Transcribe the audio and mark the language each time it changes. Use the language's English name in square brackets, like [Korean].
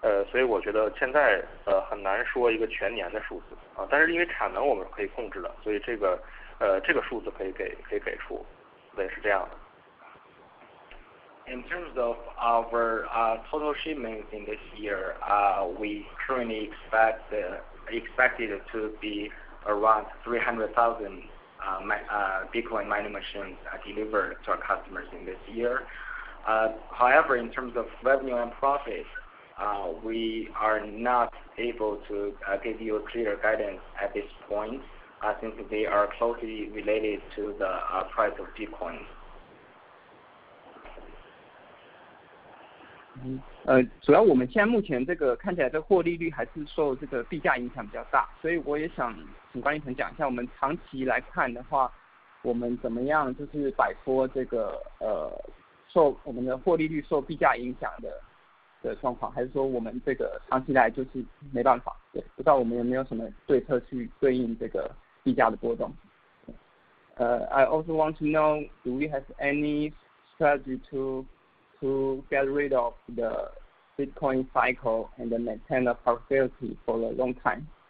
[Chinese] 所以我觉得现在很难说一个全年的数字啊，但是因为产能我们可以控制的，所以这个数字可以给出，对，是这样的。 [English] In terms of our total shipments in this year, we currently expected to be around 300,000 Bitcoin mining machines delivered to our customers in this year. However, in terms of revenue and profit. We are not able to give you a clear guidance at this point, since they are closely related to the price of Bitcoin. [Chinese] 主要我们现在目前这个看起来的获利率还是受这个币价影响比较大，所以我也想请关一腾讲一下，我们长期来看的话，我们怎么样就是摆脱这个受我们的获利率受币价影响的。的状况，还是说我们这个长期来就是没办法，对，不知道我们有没有什么对策去对应这个币价的波动。 [English] I also want to know, do we have any strategy to get rid of the Bitcoin cycle and maintain the profitability for a long time?